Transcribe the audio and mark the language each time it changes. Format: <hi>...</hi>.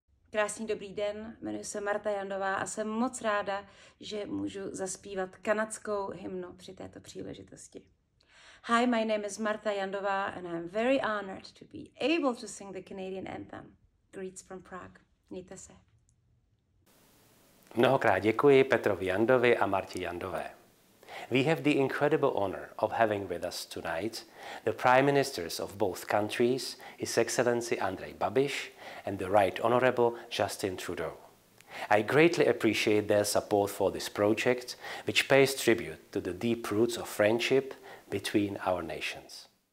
<cs>Krásný dobrý den, jmenuji se Marta Jandová a jsem moc ráda, že můžu zaspívat kanadskou hymnu při této příležitosti.</cs> <en>Hi, my name is Marta Jandová and I'm very honored to be able to sing the Canadian anthem. Greets from Prague.</en> <cs>Mějte se. Mnohokrát děkuji Petrovi Jandovi a Martě Jandové.</cs> <en>We have the incredible honor of having with us tonight the Prime Ministers of both countries, His Excellency Andrej Babiš and the Right Honorable Justin Trudeau. I greatly appreciate their support for this project, which pays tribute to the deep roots of friendship between our nations.</en>